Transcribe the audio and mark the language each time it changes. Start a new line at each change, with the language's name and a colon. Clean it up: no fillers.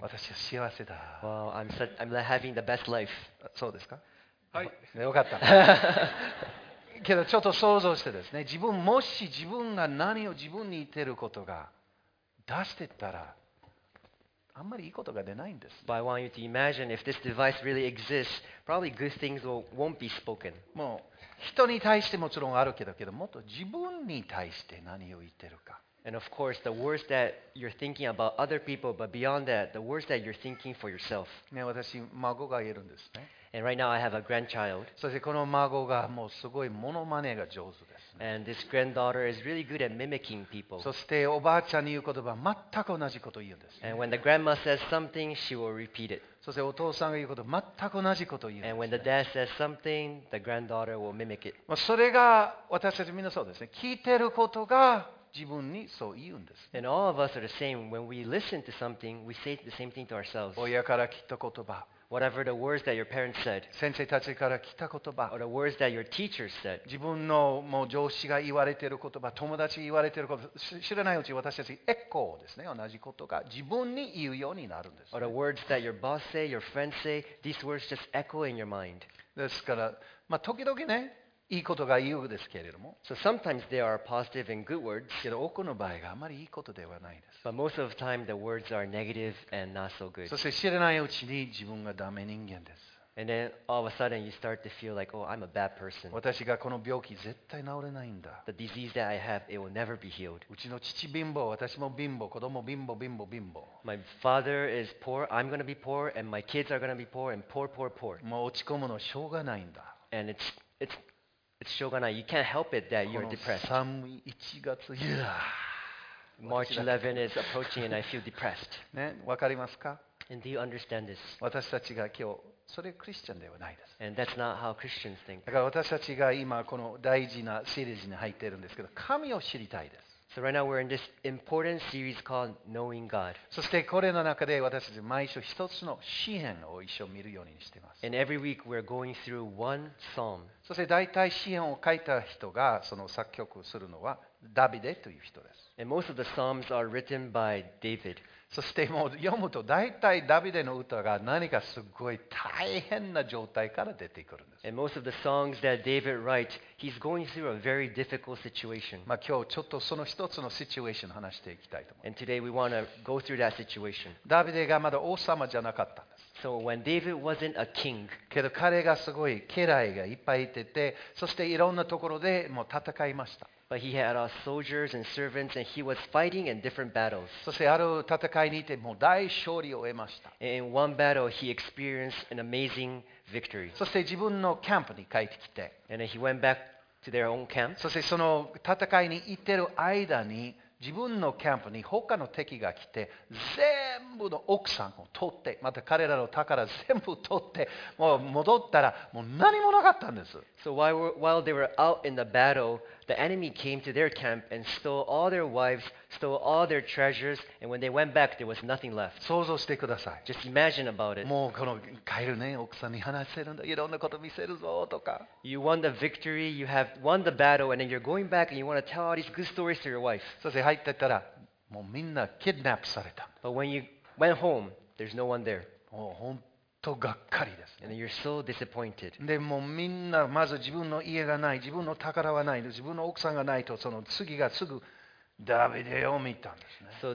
Japanese: 私は幸せだ。
English: Wow, I'm having the best life.
Japanese: そうですか? はい。よかった。けど、ちょっと想像してですね、自分、もし自分が何を自分に言ってることが出してたら、あんまりいいことが出ないんです。
English: But I want you to imagine if this device really exists, probably good things won't be spoken.
Japanese: もう人に対してもちろんあるけど、もっと自分に対して何を言ってるか。
English: And of course, the words that you're thinking about other people, but beyond that, the words that you're thinking for yourself.
Japanese: ね、私孫がいるんですね。
English: And right now, I have a grandchild.
Japanese: そしてこの孫がもうすごいモノマネが上手です、ね。
English: And this granddaughter is really good at mimicking people.
Japanese: そしておばあちゃんに言う言葉全く同じことを言うんです、
English: ね。And when the grandma says something, she will repeat it.
Japanese: そしてお父さんが言うこと全く同じことを言うんです、
English: ね。And when the dad says something, the granddaughter will mimic it.
Japanese: まあそれが私たちみんなそうですね。聞いてることが自分にそう言うんです。
English: And all of us are the same. When we listen to something, we say the same thing to ourselves.
Japanese: 親から聞いた言葉。
English: Whatever the words that your parents said,
Japanese: 先生たちから聞いた言葉、
English: or the words that your teacher said,
Japanese: 自分のもう上司が言われている言葉、友達が言われている言葉、知らないうち私たちエコーですね、同じことが自分に言うようになるんです、ね。
English: or the words that your boss say, your friends say, these words just echo in your mind.
Japanese: ですから、まあ時々ね、いいことが言うですけれども、
English: so sometimes there are positive and good words.
Japanese: けど多くの場合があまりいいことではないです。
English: But most of the time, the words are negative and not so good.
Japanese: そして知らないうちに自分がダメ人間です。
English: And then all of a sudden, you start to feel like, oh, I'm a bad person.
Japanese: 私がこの病気絶対治れないんだ。
English: The disease that I have, it will never be healed.
Japanese: うちの父貧乏、私も貧乏、子供貧乏、貧乏、貧乏。
English: My father is poor, I'm going to be poor, and my kids are going to be poor, and poor, poor, poor.
Japanese: もう落ち込むのしょうがないんだ。
English: And it's しょうがない。You can't help it that you're depressed.
Japanese: この寒い1月、yeah.
English: March 11 is approaching and I feel depressed.
Japanese: ね、わかりますか?
English: And do you understand this?
Japanese: 私たちが今日、それはクリスチャンではないです。
English: And that's not how Christians think.
Japanese: だから私たちが今この大事なシリーズに入っているんですけど、神を知りたいです。
English: So right now we're in this important series called Knowing God.
Japanese: そしてこれの中で私たち毎週一つの詩編を一緒見るようにしています。
English: And every week we're going through one psalm.
Japanese: そして大体詩編を書いた人がその作曲するのはダビデという人です。
English: And most of the psalms are written by David.
Japanese: そしてもう読むと大体ダビデの歌が何かすごい大変な状態から出てくるんです。
English: And most of the songs that David writes, he's going through a very difficult situation.
Japanese: まあ今日ちょっとその一つのシチュエーションを話していきたいと思います。
English: And today we want to go through that situation.
Japanese: ダビデがまだ王様じゃなかったんです。
English: So when David wasn't a king,
Japanese: けど彼がすごい家来がいっぱいいてて、そしていろんなところでもう戦いました。
English: But he had our soldiers and servants, and he was fighting in different battles.
Japanese: そしてある戦いにてもう大勝利を得ました。
English: In one battle, he experienced an amazing victory.
Japanese: そして自分のキャンプに帰ってきて、
English: and he went back to their own camp.
Japanese: そしてその戦いに行ってる間に、自分のキャンプに他の敵が来て、全部の奥さんを取って、また彼らの宝全部取って、もう戻ったらもう何もなかったんです。
English: So while they were out in the battle, the enemy came to their camp and stole all their wives, stole all their treasures, and when they went back, there was nothing left.
Japanese: 想像してください。
English: Just imagine about it.
Japanese: もうこの帰るね、奥さんに話せるんだ、いろんなこと見せるぞとか。
English: You won the victory, you have won the battle, and then you're going back and you want to tell all these good stories to your wife.
Japanese: そして入ってったら、もうみんなキッドナップされた。
English: But when you went home, there's no one there.
Japanese: もう本当とがっかりです、ね。
English: And you're so disappointed.
Japanese: でもみんなまず自分の家がない、自分の宝はない、自分の奥さんがないとその次がすぐダビデを見たんですね。